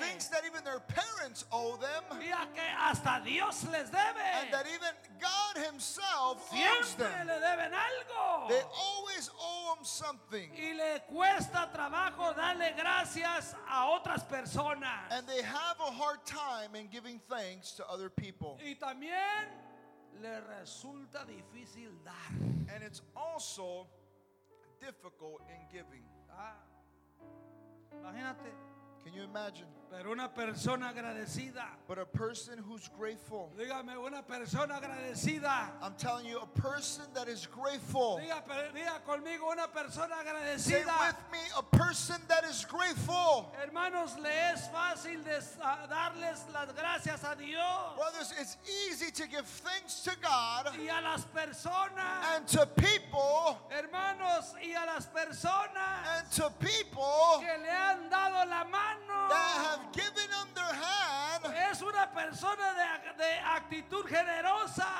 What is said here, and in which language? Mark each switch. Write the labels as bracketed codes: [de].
[en] thinks that even their parents owe them, [es] y que hasta Dios les debe, [en] and that even God himself [es] siempre [en] owes them. [es] Le deben algo. [en] They always owe him something. [es] Y le cuesta trabajo darle gracias a otras personas. [en] And they have a hard time in giving thanks to other people. [es] Y también le resulta difícil dar. [en] And it's also difficult in giving. [es] Imagínate. [en] Can you imagine? [es] Pero una persona agradecida. [en] But a person who's grateful. [es] Dígame, una persona agradecida. [en] I'm telling you, a person that is grateful. [es] Diga conmigo, una persona agradecida. [en] Say with me, a person that is grateful. [es] Hermanos, le es fácil darles las gracias a Dios. [en] Brothers, it's easy to give thanks to God. [es] Y a las personas. [en] And to people. [es] Hermanos, y a las personas. [en] And to people. [es] Que le han dado la mano. [en] Have given them their hand. [es] Es una persona de actitud generosa.